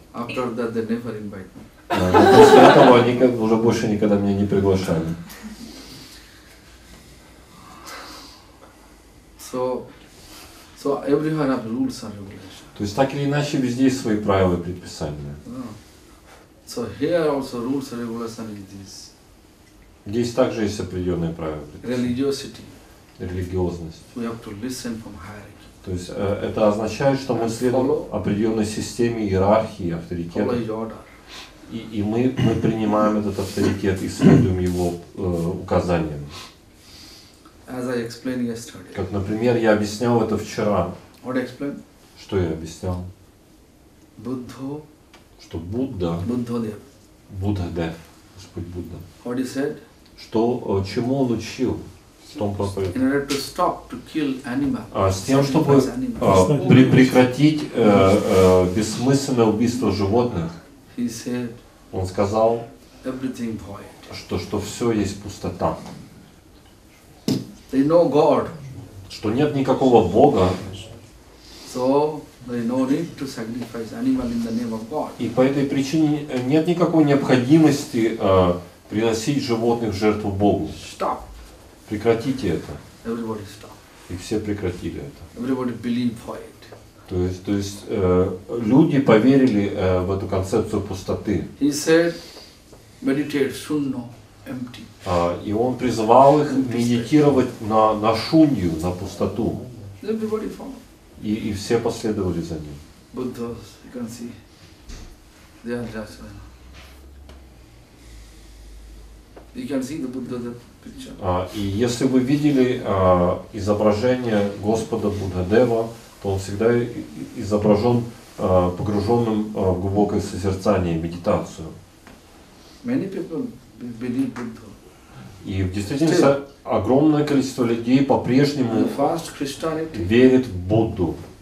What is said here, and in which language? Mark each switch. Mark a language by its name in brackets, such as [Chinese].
[English] After that they never invite me. [Russian] После этого они уже больше никогда меня не приглашали. [English] So everywhere have rules and regulations. [Russian] То есть так или иначе везде есть свои правила и предписания. [English] So here also rules and regulations is this. [Russian] Здесь также есть определенные правила. [English] Religiosity. [Russian] Религиозность. [English] We have to listen from hierarchy. [Russian] То есть это означает, что мы следуем определенной системе иерархии, авторитета. И мы принимаем этот авторитет и следуем его указаниям. [English] As I explained yesterday. [Russian] Как, например, я объяснял это вчера. [English] What I explained? [Russian] Что я объяснял? [English] Buddha. [Russian] Что Будда. Буддхадев. Буддхадев. Господь Будда. [English] What he said? [Russian] Что, чему он учил в том проповедании? [English] In order to stop to kill animals. [Russian] С тем, чтобы прекратить бессмысленное убийство животных. [English] He said. [Russian] Он сказал. [English] Everything void. [Russian] Что все есть пустота. [English] They know God. [Russian] Что нет никакого Бога. [English] So they no need to sacrifice animal in the name of God. [Russian] И по этой причине нет никакой необходимости приносить животных в жертву Богу. [English] Stop. [Russian] Прекратите это. [English] Everybody stop. [Russian] И все прекратили это. [English] Everybody believe for it. [Russian] То есть люди поверили в эту концепцию пустоты. [English] He said, meditate sunno, empty. [Russian] И он призывал их медитировать на шунью, на пустоту. [English] Everybody follow. [Russian] И все последовали за ним. [English] Buddha, you can see, they are just like. You can see the Buddha, the picture. [Russian] И если вы видели изображение Господа Буддхадева, то он всегда изображен погруженным в глубокое созерцание, медитацию. [English] Many people believe Buddha. [Russian] И в действительности [English] still, [Russian] огромное количество людей по-прежнему верит в Будду.